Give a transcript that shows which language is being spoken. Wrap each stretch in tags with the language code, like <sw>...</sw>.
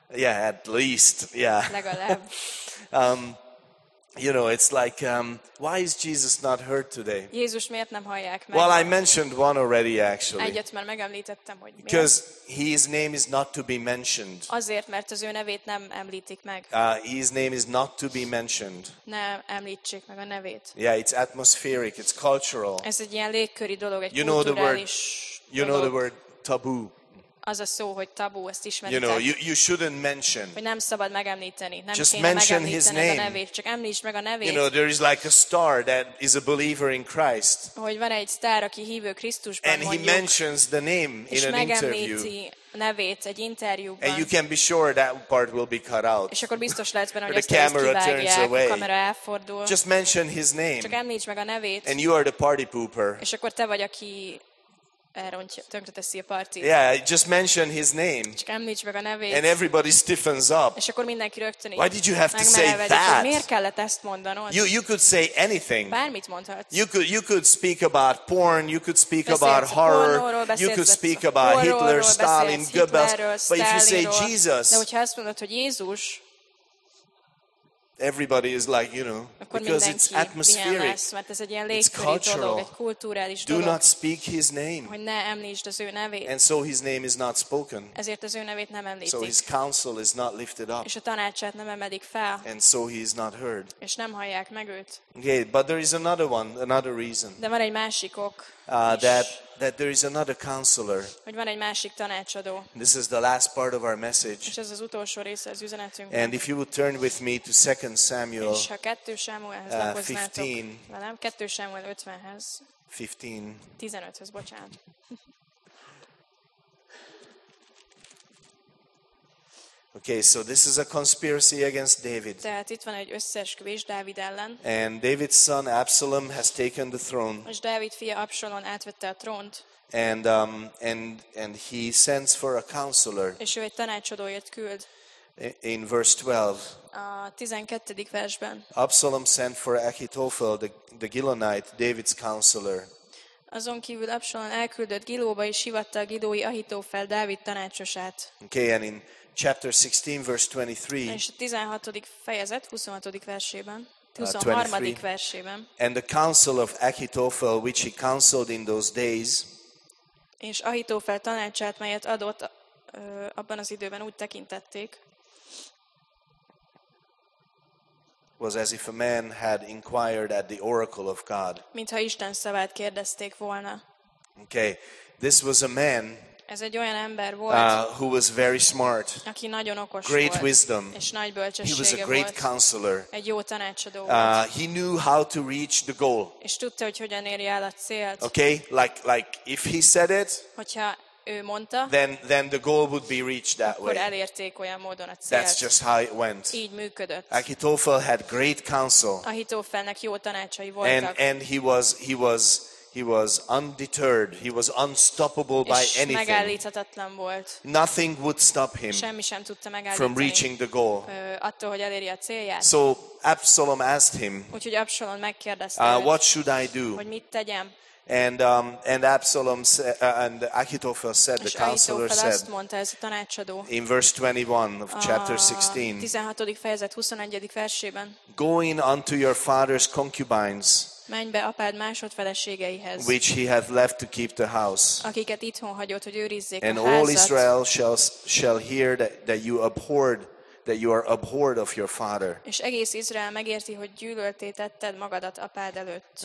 <en>yeah, at least, yeah, you know, it's like, why is Jesus not heard today?</en> <hu>Jézus miért nem hallják meg?</hu> <en>Well, I mentioned one already, actually.</en> <hu>Egyet már megemlítettem, hogy miért.</hu> <en>Because his name is not to be mentioned.</en> <hu>Azért, mert az ő nevét nem említik meg.</hu> <en>His name is not to be mentioned.</en> <hu>Ne említsék meg a nevét.</hu> <en>Yeah, it's atmospheric, it's cultural.</en> <hu>Ez egy ilyen légköri dolog, egy</hu> <en>you know</en> <hu>kulturális dolog.</hu> <en>You know the word taboo.</en> <hu>Az a szó, hogy tabu, ezt ismeritek.</hu> <en>You know, you shouldn't mention.</en> <hu>Hogy nem szabad megemlíteni. Nem</hu> <en>just</en> <hu>kéne</hu> <en>mention</en> <hu>megemlíteni</hu> <en>his name.</en> <hu>A nevét, csak említs meg a nevét.</hu> <en>You know, there is like a star that is a believer in Christ.</en> <hu>Hogy van egy sztár, aki hívő Krisztusban,</hu> <en>and</en> <hu>mondjuk.</hu> <en>He mentions the name in an interview.</en> <hu>Nevét egy interjúban.</hu> <en>And you can be sure that part will be cut out.</en> <hu>És akkor biztos lehetsz benne, hogy ezt kivágják, a kamera elfordul.</hu> <en>Just mention his name.</en> <hu>Csak említs meg a nevét.</hu> <en>And you are the party pooper.</en> <hu>És akkor te vagy, aki tönkreteszi a partit.</hu> <en>Yeah, just mention his name.</en> <hu>Csak említs meg a nevét.</hu> <en>And everybody stiffens up.</en> <hu>És akkor mindenki rögtön így.</hu> <en>Why did you have to say that?</en> <hu>Miért kellett ezt mondanod?</hu> <en>You could say anything.</en> <hu>Bármit mondhatsz.</hu> <en>You could speak about porn, you could speak about horror, you could speak about Hitler, Stalin, Goebbels. But if you say Jesus,</en> <hu>de hogyha azt mondod, hogy Jézus,</hu> <en>everybody is like, you know, because it's atmospheric. It's cultural.</en> <hu>Dolog,</hu> <en>do not speak his name. And so his name is not spoken.</en> <hu>Ezért az ő nevét nem említik.</hu> <en>So his counsel is not lifted up.</en> <hu>És a tanácsát nem emelik fel.</hu> <en>And so he is not heard.</en> <hu>És nem hallják meg őt.</hu> <en>Okay, but there is another one, another reason.</en> <hu>De van egy másik ok.</hu> <en>That there is another counselor.</en> <hu>Hogy van egy másik tanácsadó.</hu> <en>This is the last part of our message.</en> <hu>És ez az utolsó része az üzenetünk.</hu> <en>And if you would turn with me to 2 Samuel.</en> <hu>És ha 2 Sámuelhez lapoznátok. Velem 2 Sámuel 50-hez. 15-hez, bocsánat.</hu> <en>Okay, so this is a conspiracy against David.</en> <hu>Tehát itt van egy összeesküvés Dávid ellen.</hu> <en>And David's son Absalom has taken the throne.</en> <hu>És Dávid fia Absalom átvette a trónt.</hu> <en>And and he sends for a counselor.</en> <hu>És ő egy tanácsadóért küld.</hu> <en>In verse 12.</en> <hu>A 12. versben.</hu> <en>Absalom sent for Ahithophel, the Gilonite, David's counselor.</en> <hu>Azon kívül Absalom elküldött Gilóba és hívatta a gidói Ahithophel, Dávid tanácsosát.</hu> <en>Okay, and in chapter 16 verse 23.</en> <hu>És a 16. fejezet 26. versében. 23. versében.</hu> <en>And the counsel of Ahithophel which he counseled in those days.</en> <hu>És Ahithophel tanácsát, melyet adott abban az időben úgy tekintették.</hu> <en>Was as if a man had inquired at the oracle of God.</en> <hu>Mintha Isten szavát kérdezték volna.</hu> <en>Okay. This was a man.</en> <hu>Ez egy olyan ember volt,</hu> <en>who was very smart,</en> <hu>aki nagyon okos,</hu> <en>great</en> <hu>volt,</hu> <en>wisdom,</en> <hu>és nagy bölcsessége volt.</hu> <en>He was a great counselor.</en> <hu>Egy jó tanácsadó volt.</hu> <en>He knew how to reach the goal.</en> <hu>És tudta, hogy hogyan érje el a célt.</hu> <en>Okay, like if he said it,</en> <hu>hogyha ő mondta,</hu> <en>then the goal would be reached that</en> <hu>akkor</hu> <en>way.</en> <hu>Akkor elérték olyan módon a célt.</hu> <en>That's just how it went.</en> <hu>Így működött.</hu> <en>Ahithophel had great counsel.</en> <hu>Ahithophelnek jó tanácsai voltak.</hu> <en>And he was undeterred, he was unstoppable by anything.</en> <hu>Megállíthatatlan volt.</hu> <en>Nothing would stop him</en> <hu>semmi sem tudta megállítani</hu> <en>from reaching the goal.</en> <hu>Attól, hogy eléri a célját.</hu> <en>So Absalom asked him,</en> <hu>úgyhogy Absalom megkérdezte,</hu> <en>what should I do?</en> <hu>Hogy mit tegyem?</hu> <en>And Absalom and Ahithophel said, the counselor said,</en> <hu>mondta, ez a tanácsadó,</hu> <en>in verse 21 of chapter 16,</en> <hu>16. fejezet 21. versében,</hu> <en>go in unto your father's concubines,</en> <hu>menj be apád másodfeleségeihez,</hu> <en>which he hath left to keep the house,</en> <hu>akiket itthon hagyott, hogy őrizzék a házat,</hu> <en>and all Israel shall hear that you are abhorred of your father.</en> <hu>És egész Izrael megérti, hogy gyűlölté tetted magadat apád előtt.</hu>